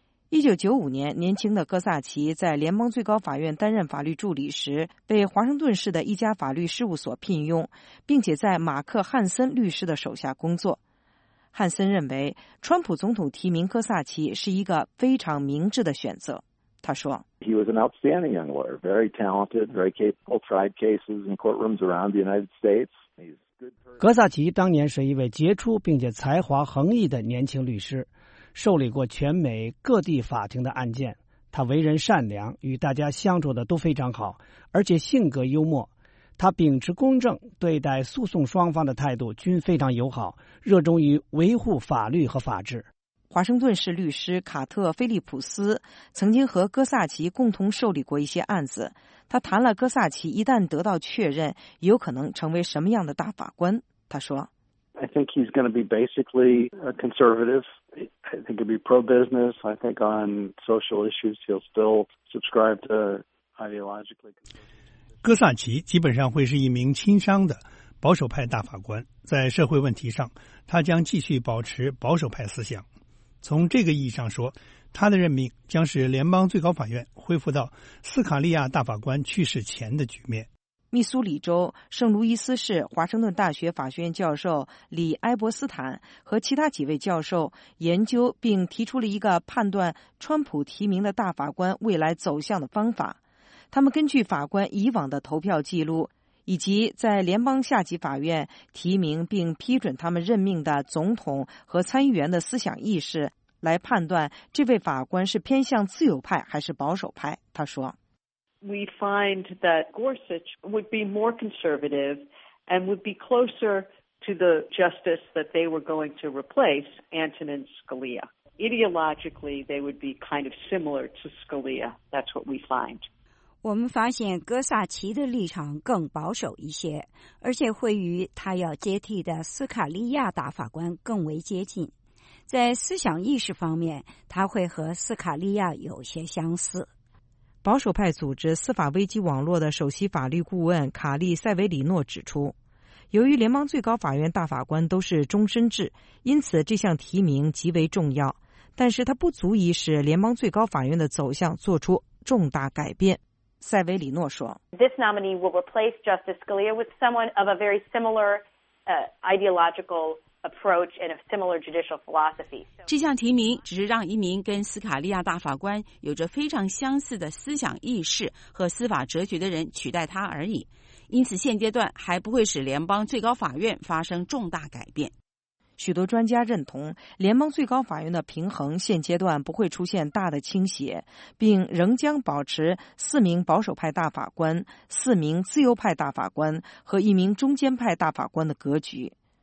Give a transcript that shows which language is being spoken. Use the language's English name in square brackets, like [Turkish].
[Chinese] 1995年，年轻的戈萨奇在联邦最高法院担任法律助理时，被华盛顿市的一家法律事务所聘用，并且在马克·汉森律师的手下工作。汉森认为，川普总统提名戈萨奇是一个非常明智的选择。他说 [English] ：“He was an outstanding young lawyer, very talented, very capable. Tried cases in courtrooms around the United States.” [Chinese] 戈萨奇当年是一位杰出并且才华横溢的年轻律师。受理过全美各地法庭的案件，他为人善良，与大家相处的都非常好，而且性格幽默。他秉持公正对待诉讼双方的态度均非常友好，热衷于维护法律和法治。华盛顿市律师卡特·菲利普斯曾经和戈萨奇共同受理过一些案子，他谈了戈萨奇一旦得到确认，有可能成为什么样的大法官。他说 [English] I think he's going to be basically a conservative. I think he'll be pro-business. I think on social issues, he'll still subscribe to ideologically conservative. [Chinese] 戈萨奇基本上会是一名亲商的保守派大法官。在社会问题上，他将继续保持保守派思想。从这个意义上说，他的任命将使联邦最高法院恢复到斯卡利亚大法官去世前的局面。密苏里州圣卢伊斯市华盛顿大学法学院教授李·埃伯斯坦和其他几位教授研究并提出了一个判断川普提名的大法官未来走向的方法。他们根据法官以往的投票记录，以及在联邦下级法院提名并批准他们任命的总统和参议员的思想意识，来判断这位法官是偏向自由派还是保守派。他说 [English] We find that Gorsuch would be more conservative and would be closer to the justice that they were going to replace, Antonin Scalia. Ideologically, they would be kind of similar to Scalia. That's what we find. [Chinese] 我们发现戈萨奇的立场更保守一些，而且会与他要接替的斯卡利亚大法官更为接近。在思想意识方面，他会和斯卡利亚有些相似。保守派组织司法危机网络的首席法律顾问卡利·塞维里诺指出，由于联邦最高法院大法官都是终身制，因此这项提名极为重要，但是它不足以使联邦最高法院的走向做出重大改变。塞维里诺说 [English] This nominee will replace Justice Scalia with someone of a very similar ideological approach and a similar judicial philosophy. [Chinese] 这项提名只是让一名跟斯卡利亚大法官有着非常相似的思想意识和司法哲学的人取代他而已，因此现阶段还不会使联邦最高法院发生重大改变。许多专家认同，联邦最高法院的平衡现阶段不会出现大的倾斜，并仍将保持四名保守派大法官、四名自由派大法官和一名中间派大法官的格局。